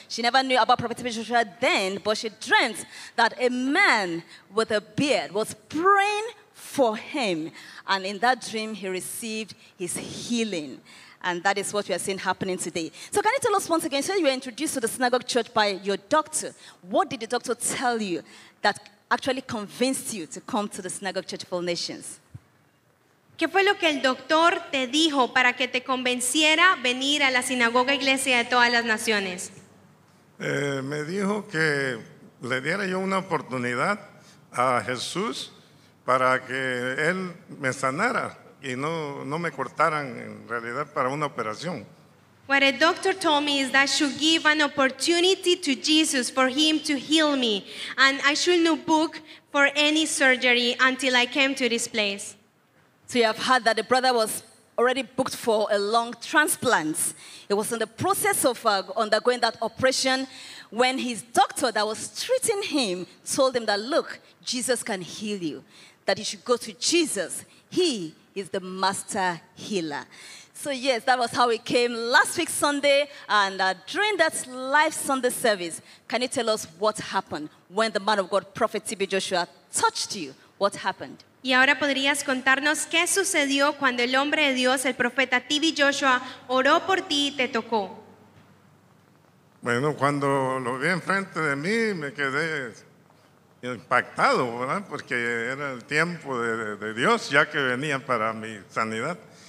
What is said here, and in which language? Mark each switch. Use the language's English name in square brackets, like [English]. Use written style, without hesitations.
[English] She never knew about Prophet T.B. Joshua then, but she dreamt that a man with a beard was praying for him, and in that dream he received his healing, and that is what we are seeing happening today. So can you tell us once again, so you were introduced to the Synagogue Church by your doctor, what did the doctor tell you that actually convinced you to come to the Synagogue Church of All Nations? [Spanish] ¿Qué fue lo que el doctor te dijo para que te convenciera venir a la Sinagoga Iglesia de todas las Naciones? Me dijo que le diera yo una oportunidad a Jesús para que él me sanara y no me cortaran en realidad para una operación. [English] What a doctor told me is that I should give an opportunity to Jesus for him to heal me, and I should not book for any surgery until I came to this place. So you have heard that the brother was already booked for a lung transplant. He was in the process of undergoing that operation when his doctor that was treating him told him that, look, Jesus can heal you, that you should go to Jesus. He is the master healer. So yes, that was how it came last week Sunday, and during that live Sunday service, can you tell us what happened when the man of God, Prophet T.B. Joshua, touched you? What happened? [Spanish] Y ahora podrías contarnos qué sucedió cuando el hombre de Dios, el profeta T.B. Joshua, oró por ti y te tocó. Bueno, cuando lo vi enfrente de mí, me quedé impactado, ¿verdad? Porque era el tiempo de Dios, ya que venía para mi sanidad.